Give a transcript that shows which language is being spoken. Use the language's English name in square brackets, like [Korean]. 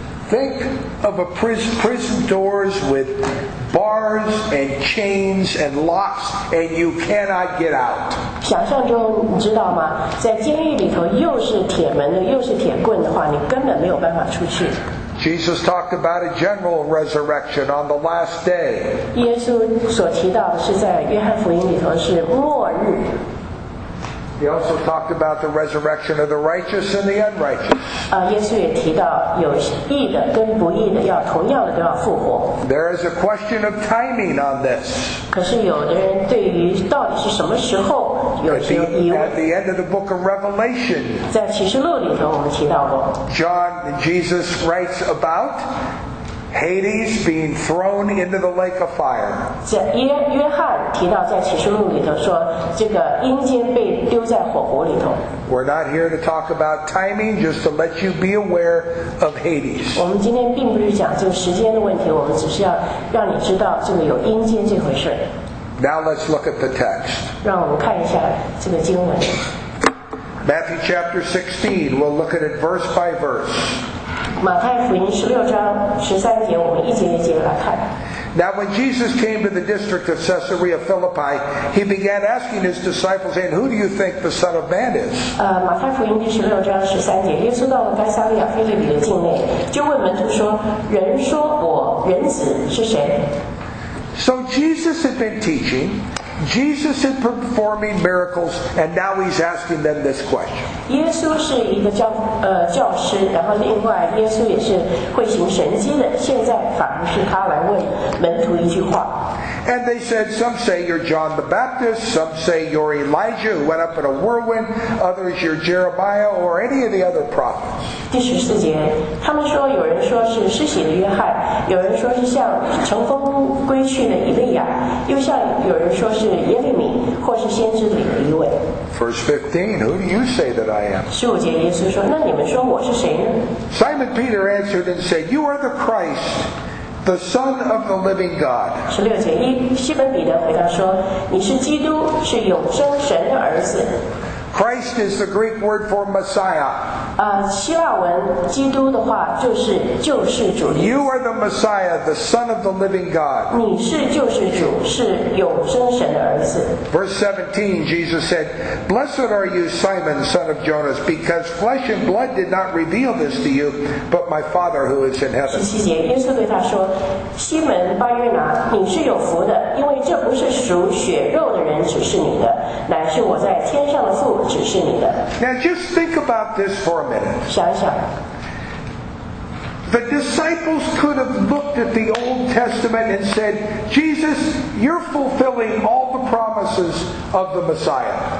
[English] Think of a prison doors with bars and chains and locks, and you cannot get out. [Chinese] 想象中，你知道吗？在监狱里头，又是铁门的，又是铁棍的话，你根本没有办法出去。 [English] Jesus talked about a general resurrection on the last day. [Chinese] 耶稣所提到的是在约翰福音里头是末日。 [English] He also talked about the resurrection of the righteous and the unrighteous. [Chinese] 耶稣也提到有义的跟不义的要同样的都要复活。 [English] There is a question of timing on this. [Chinese] 可是有的人对于到底是什么时候有些疑问。 [English] At the end of the book of Revelation, [Chinese] 在启示录里头我们提到过。 [English] John, Jesus writes about Hades being thrown into the lake of fire. [Chinese] 约翰提到在启示录里头说，这个阴间被丢在火湖里头。 [English] We're not here to talk about timing, just to let you be aware of Hades. [Chinese] 我们今天并不是讲这个时间的问题，我们只是要让你知道这个有阴间这回事。 [English] Now let's look at the text. [Chinese] 让我们看一下这个经文。 [English] Matthew chapter 16. We'll look at it verse by verse. [Chinese] 马太福音十六章十三节，我们一节一节来看。 [English] Now when Jesus came to the district of Caesarea Philippi, he began asking his disciples, saying, "Who do you think the Son of Man is?" [Chinese] 马太福音第十六章十三节，耶稣到了该撒利亚菲利比的境内，就问门徒说，人说我人子是谁？ [English] So Jesus had been teaching. Jesus is performing miracles, and now he's asking them this question. [Chinese] 耶稣是一个教师，然后另外耶稣也是会行神迹的。现在反而是他来问门徒一句话。 [English] And they said, some say you're John the Baptist, some say you're Elijah who went up in a whirlwind, others you're Jeremiah or any of the other prophets. [Chinese] 第十四节，他们说有人说是施洗的约翰，有人说是像乘风归去的以利亚，又像有人说是耶利米，或是先知里的一位。 [English] Verse 15, who do you say that I am? [Chinese] 十五节，耶稣说，那你们说我是谁呢？ [English] Simon Peter answered and said, you are the Christ. The Son of the Living God. [Chinese] 16:1, 西门彼得回答说，你是基督，是永生神的儿子。 [English] Christ is the Greek word for Messiah. [Chinese] 希腊文基督的话就是救世主。 [English] You are the Messiah, the Son of the Living God. [Chinese] 你是救世主，是永生神的儿子。 [English] Verse 17, Jesus said, Blessed are you, Simon, son of Jonas, because flesh and blood did not reveal this to you, but my Father who is in heaven. [Chinese] 17节，耶稣对他说，西门巴约拿，你是有福的，因为这不是属血肉的人指示你的，乃是我在天上的父。 [English] Now just think about this for a minute. [Chinese] 想想。 [English] The disciples could have looked at the Old Testament and said, Jesus, you're fulfilling all the promises of the Messiah.